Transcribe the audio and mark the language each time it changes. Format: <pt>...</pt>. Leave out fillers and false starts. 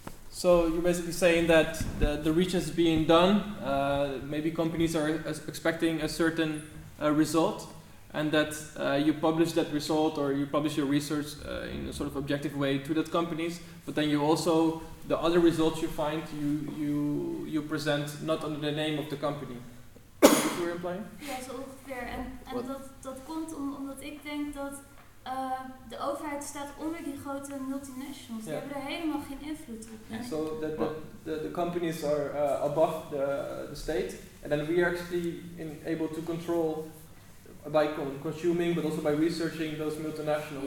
<en>So you're basically saying that the research is being done, maybe companies are expecting a certain result, and that you publish that result or you publish your research in a sort of objective way to that companies, but then you also, the other results you find, you present not under the name of the company. Is that what you're implying?</en> <nl>Ja, zo ongeveer. En dat komt omdat ik denk dat de overheid staat onder die grote multinationals.</nl> <en>Yeah.</en> <nl>Die hebben er helemaal geen invloed op.</nl> <en>Yeah. So the companies are above the state, and then we are actually able to control by consuming, but also by researching those multinationals.</en>